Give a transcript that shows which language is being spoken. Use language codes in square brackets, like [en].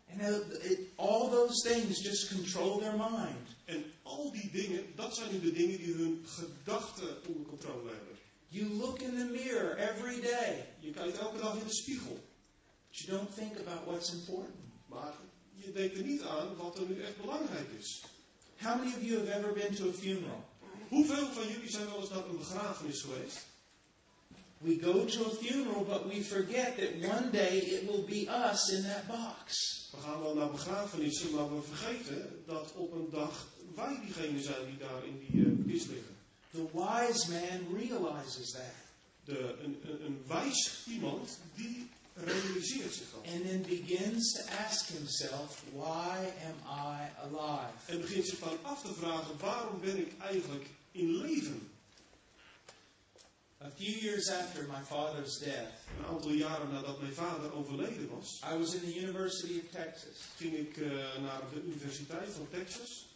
[en] And all those things just control their mind. [nl] En al die dingen, dat zijn nu de dingen die hun gedachten onder controle hebben. [en] You look in the mirror every day. [nl] Je kijkt elke dag in de spiegel. [en] But you don't think about what's important. [nl] Maar je denkt er niet aan wat er nu echt belangrijk is. [en] How many of you have ever been to a funeral? [nl] Hoeveel van jullie zijn wel eens naar een begrafenis geweest? [en] We go to a funeral, but we forget that one day it will be us in that box. [nl] We gaan wel naar begrafenissen, maar we vergeten dat op een dag wij diegene zijn die daar in die kist liggen. [en] The wise man realizes that. [nl] Een wijs iemand die realiseert zich dat. [en] And then begins to ask himself, why am I alive? [nl] En begint zich van af te vragen, waarom ben ik eigenlijk in leven? [en] A few years after my father's death, [nl] een aantal jaren nadat mijn vader overleden was, [en] I was in the University of Texas. [nl] Ging ik naar de Universiteit van Texas.